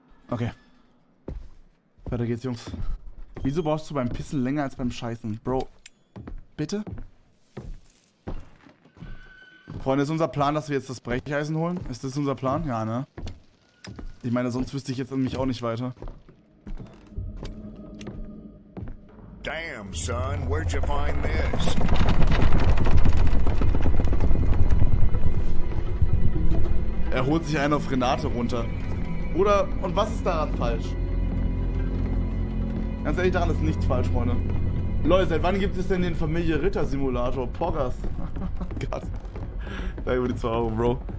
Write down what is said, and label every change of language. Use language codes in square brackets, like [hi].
[de] Okay. Weiter geht's, Jungs. Wieso brauchst du beim Pissen länger als beim Scheißen? Bro. Bitte? Freunde, ist unser Plan, dass wir jetzt das Brecheisen holen? Ist das unser Plan? Ja, ne? Ich meine, sonst wüsste ich jetzt an mich auch nicht weiter. [en] Damn, son, where'd you find this? [de] Er holt sich einen auf Renate runter. Bruder, und was ist daran falsch? Ganz ehrlich, daran ist nichts falsch, Freunde. Leute, seit wann gibt es denn den Familie-Ritter-Simulator? Poggers. Gott. Danke für die 2 Euro, Bro.